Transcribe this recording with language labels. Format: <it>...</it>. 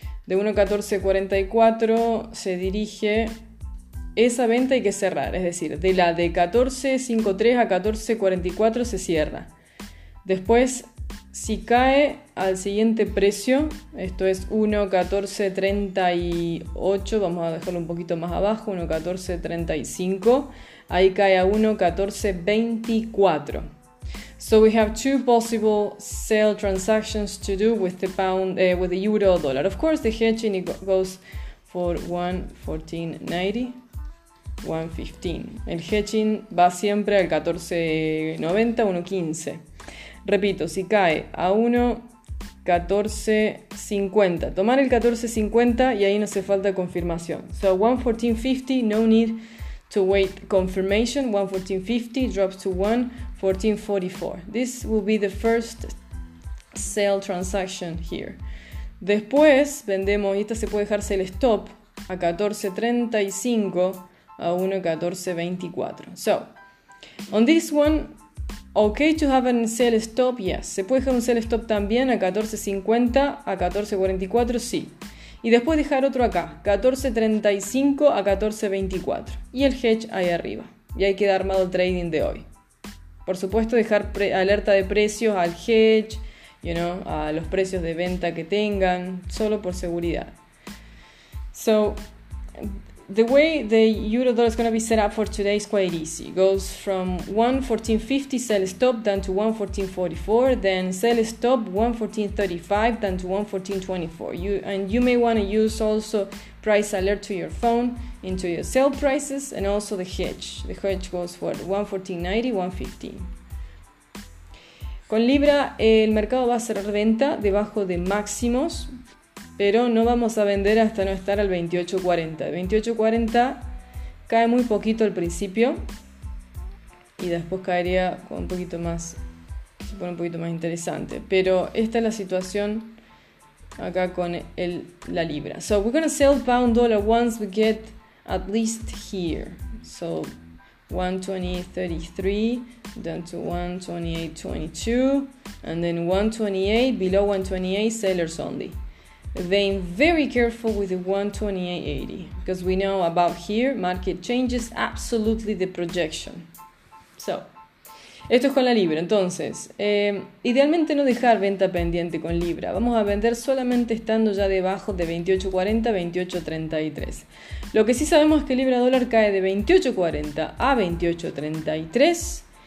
<es>De 1.1444 se dirige esa venta, hay que cerrar, es decir, de la de 14.53 a 14.44 se cierra. Después, si cae al siguiente precio, esto es 1.1438, vamos a dejarlo un poquito más abajo, 1.1435, ahí cae a 1.1424.</es> <en>So we have two possible sell transactions to do with the pound, with the euro dollar. Of course, the hedging it goes for 1.1490. 1.15.</en> <es>El hedging va siempre al 14.90, 1.15. Repito, si cae a 1.1450, tomar el 14.50 y ahí no hace falta confirmación.</es> <en>So 1.1450, no need to wait confirmation. 1.1450 drops to 1.1444. This will be the first sell transaction here.</en> <es>Después vendemos, y esta se puede dejarse el stop a 14.35. A 1.1424.</es> <en>So, on this one, okay to have a sell stop, yes.</en> <es>Se puede dejar un sell stop también a 14.50, a 14.44, sí. Y después dejar otro acá, 14.35 a 14.24. Y el hedge ahí arriba. Y ahí queda armado el trading de hoy. Por supuesto, dejar alerta de precios al hedge,</es> <en>you know,</en> <es>a los precios de venta que tengan, solo por seguridad.</es> <en>So, the way the euro dollar is going to be set up for today is quite easy. It goes from 1.1450 sell stop down to 1.1444, then sell stop 1.1435 down to 1.1424. You may want to use also price alert to your phone into your sell prices and also the hedge. The hedge goes for 1.1490, 1.15.</en> <es>Con Libra, el mercado va a cerrar venta debajo de máximos. Pero no vamos a vender hasta no estar al 28.40. 28.40 cae muy poquito al principio y después caería con un poquito más, se pone un poquito más interesante. Pero esta es la situación acá con la libra.</es> <en>So we're gonna sell pound dollar once we get at least here. So 1.2833 down to 1.2822 and then 1.28 below 1.28 sellers only. Being very careful with the 1.2880 because we know about here market changes absolutely the projection.</en> <es>So, esto es con la libra. Entonces, idealmente no dejar venta pendiente con libra. Vamos a vender solamente estando ya debajo de 28.40, 28.33. Lo que sí sabemos es que libra dólar cae de 28.40 a 28.33.</es>